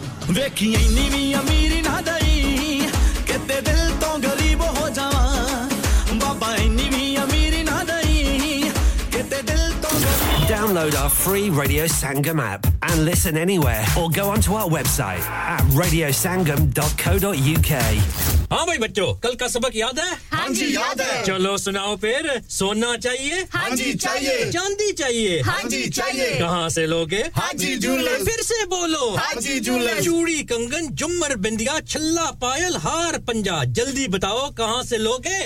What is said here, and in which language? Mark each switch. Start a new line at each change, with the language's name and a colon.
Punjabi: ਵੇਖੀ ਇੰਨੀ ਵੀ ਅਮੀਰੀ ਨਾ ਦਈ ਕਿਤੇ ਦਿਲ ਤੋਂ ਗਰੀਬ ਹੋ ਜਾਵਾਂ ਬਾਬਾ ਇੰਨੀ ਵੀ ਅਮੀਰੀ ਨਾ ਦਈ ਕਿਤੇ ਦਿਲ ਤੋਂ ਗਰੀਬ
English: Download our free Radio Sangam app and listen anywhere or go onto our website at radiosangam.co.uk
Hindi: हां भाई बच्चों कल का सबक याद है हां जी याद है चलो सुनाओ फिर सोना चाहिए हां जी चाहिए चांदी चाहिए हां जी चाहिए कहां से लोगे हां जी जूलर्स फिर से बोलो हां जी जूलर्स चूड़ी कंगन जुमर बिंदिया छल्ला पायल हार पंजा जल्दी बताओ कहां से लोगे